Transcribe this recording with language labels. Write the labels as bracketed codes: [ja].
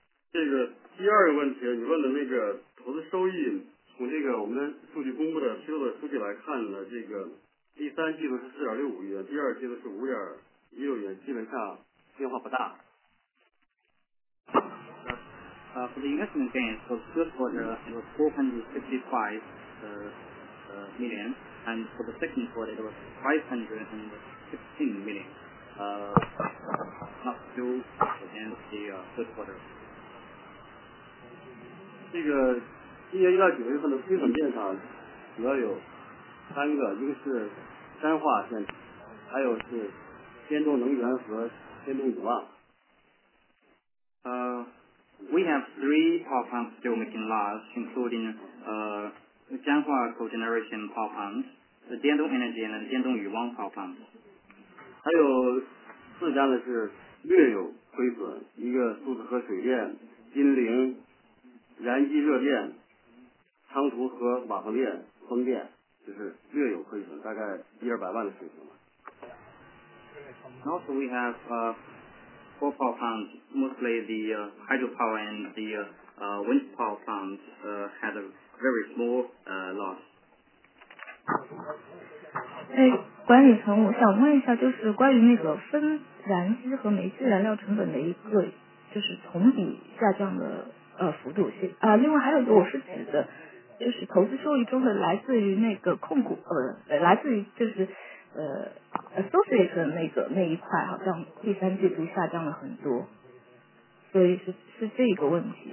[zh] 这个第二个问题，你问的那个投资收益，从这个我们的数据公布的披露的数据来看呢，这个第三季度是4.65亿元，第二季度是5.16亿元，基本上变化不大。 [en] For the investment gains for the third quarter, it was 455 million, and for the second quarter, it was 516 million. Not too much in the third quarter. [zh] 这个今年一到九月份的亏损电厂主要有三个，一个是三化电厂，还有是天动能源和天动永旺。 [en] We have three power plants still making loss, including Jianhua Cogeneration power plants, the Dandong Energy and the Dandong Yuwang power plants. [zh] 还有四家的是略有亏损，一个苏子河水电、金陵燃机热电、昌图和瓦房电、风电，就是略有亏损，大概1200万的水平吧。 [en] And also we have four power plants, mostly the hydropower and the wind power plants had a very small loss. [zh] 哎，管理层，我想问一下，就是关于那个分燃机和煤气燃料成本的一个就是同比下降的幅度。另外还有一个，我是指的就是投资收益中的来自于那个控股来自于就是associate 的那一块，好像第三季度下降了很多，所以是这个问题。